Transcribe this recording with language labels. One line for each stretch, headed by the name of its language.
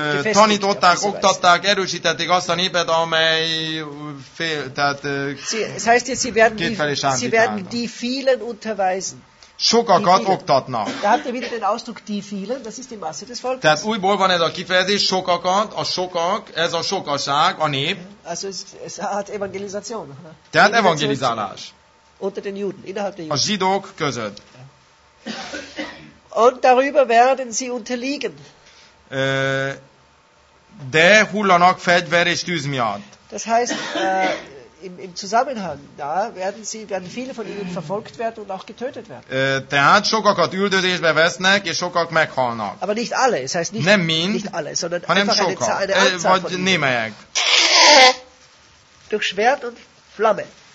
Hungarian: war, tanították, oktatták, erősítették azt a népet, amely fél, tehát
German: es heißt jetzt, sie werden die vielen unterweisen.
Hungarian: Sokakat oktatnak.
German: Da habt ihr wieder den Ausdruck die vielen, das ist die Masse des Volkes.
Hungarian: Tehát újból van ez a kifejezés, sokakat, a sokak, ez a sokaság, a nép.
German: Also es hat Evangelisation.
Hungarian: Tehát evangelizálás.
German: Unter den Juden, innerhalb der Juden.
Hungarian: A zsidók között.
German: Und darüber werden sie unterliegen.
Hungarian: De hullanak fegyver és tűz miatt.
German: Das heißt, im Zusammenhang da werden viele von ihnen verfolgt werden und auch getötet werden.
Hungarian: Tehát sokakat üldözésbe vesznek és sokak meghalnak.
German: Aber nicht alle, es heißt nicht,
Hungarian: nem mind,
German: nicht alle, sondern
Hungarian: hanem
German: einfach
Hungarian: sokak,
German: eine Anzahl
Hungarian: vagy
German: von
Hungarian: némelyek.
German: Durch Schwert und Flamme.